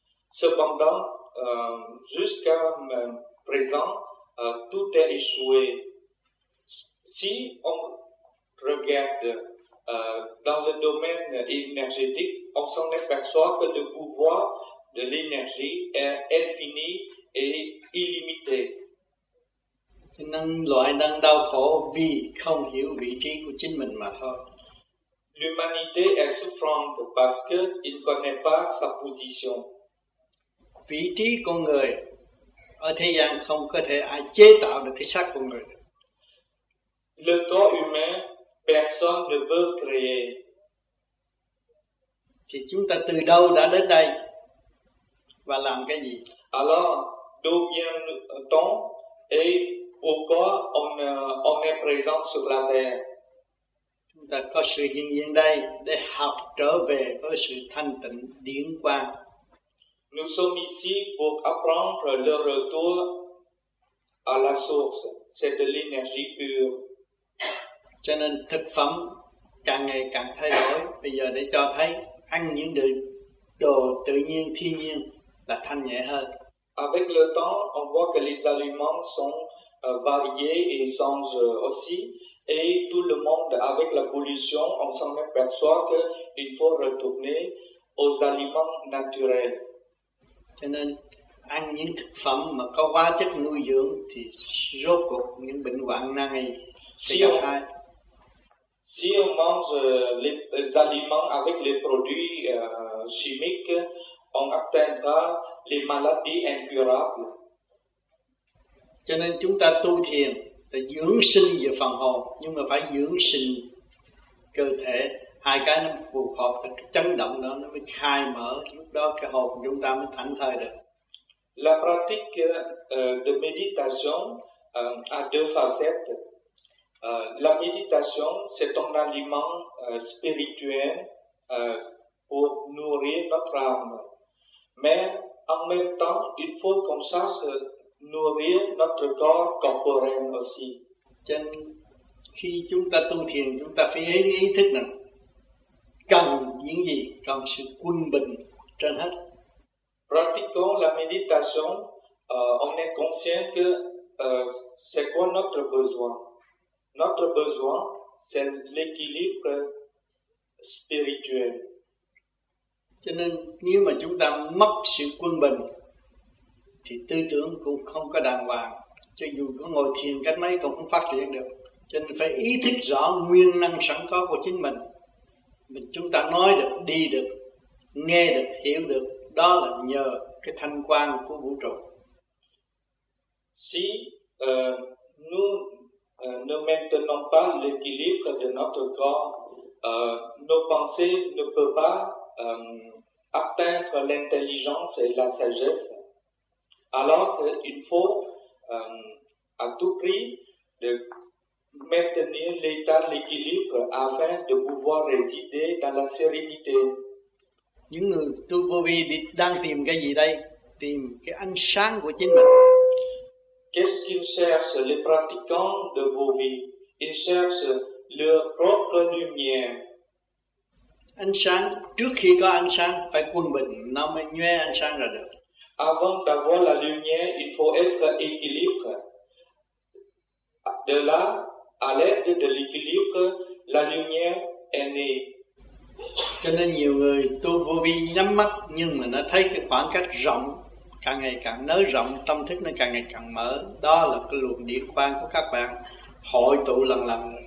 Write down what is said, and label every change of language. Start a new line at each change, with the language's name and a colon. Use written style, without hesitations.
French: Cependant, jusqu'à présent, tout est échoué. Si on regarde dans le domaine énergétique, on s'en aperçoit que le pouvoir de l'énergie est infini et illimité.
Vietnamese: Nên loại đang đau khổ vì không hiểu vị trí của chính mình mà thôi.
French: L'humanité est souffrante parce qu'il ne connaît pas sa position.
Vietnamese: Vị trí con người ở thế gian không có thể ai chế tạo được cái xác con người.
French: Le corps humain, personne ne peut créer.
Vietnamese: Thì chúng ta từ đâu đã đến đây và làm cái gì?
French: Alors, d'où vient-on et pourquoi on est présent sur la terre?
Vietnamese: Chúng ta có sự hiện diện đây để học trở về với sự thanh tịnh điển quang.
French: Nous sommes ici pour apprendre le retour à la source, c'est de l'énergie pure.
Vietnamese: Cho nên thực phẩm càng ngày càng thay đổi. Bây giờ để cho thấy ăn những đồ tự nhiên, thiên nhiên là thanh nhẹ hơn.
French: Avec le temps, on voit que les aliments sont variés et sans aussi. Et tout le monde, avec la pollution, on s'en aperçoit qu'il faut retourner aux aliments naturels.
Vietnamese: Cho nên, ăn những thực phẩm mà có hóa chất nuôi dưỡng thì rốt cuộc những bệnh hoạn nan y sẽ gặp hại.
French: Si on mange les aliments avec les produits chimiques, on atteindra les maladies incurables.
Vietnamese: Cho nên chúng ta tu thiền là dưỡng sinh về phần hồn, nhưng mà phải dưỡng sinh cơ thể. Hai cái nó phù hợp, cái chấn động đó nó mới khai mở, lúc đó cái hồn chúng ta mới thảnh thơi được.
French: La pratique de méditation a deux facettes. La méditation, c'est un aliment spirituel pour nourrir notre âme. Mais en même temps, il faut qu'on sache nourrir notre corps corporel aussi.
Vietnamese: Chân, khi chúng ta tu thiền, chúng ta phải hiểu ý thức rằng cần những gì, cần sự quân bình trên hết.
French: Pratiquant la méditation, on est conscient que c'est quoi notre besoin. Notre besoin, c'est l'équilibre spirituel.
Vietnamese: Cho nên, nếu mà chúng ta mất sự quân bình, thì tư tưởng cũng không có đàng hoàng. Cho dù có ngồi thiền cách mấy cũng không phát triển được. Cho nên phải ý thức rõ nguyên năng sẵn có của chính mình. Mình chúng ta nói được, đi được, nghe được, hiểu được. Đó là nhờ cái thanh quang của vũ trụ.
French: Si nous ne maintenons pas l'équilibre de notre corps, nos pensées ne peuvent pas atteindre l'intelligence et la sagesse. Alors il faut à tout prix de maintenir l'état d'équilibre afin de pouvoir résider dans la sérénité.
Vietnamese: Những người tu vô vi đang tìm cái gì đây? Tìm cái ánh sáng của chính mình.
French: Qu'est-ce qu'ils cherchent, les pratiquants de vô vi? Ils cherchent leur propre lumière.
Vietnamese: Ánh sáng, trước khi có ánh sáng, phải quân bình, nó mới nhuê ánh sáng ra được.
French: Avant d'avoir la lumière, il faut être équilibré. De là, à l'aide de l'équilibre, la lumière est née.
Vietnamese: Cho nên nhiều người tu vô vi nhắm mắt nhưng mà nó thấy cái khoảng cách rộng, càng ngày càng nới rộng, tâm thức nó càng ngày càng mở. Đó là cái luồng điện quang của các bạn hội tụ lần lần.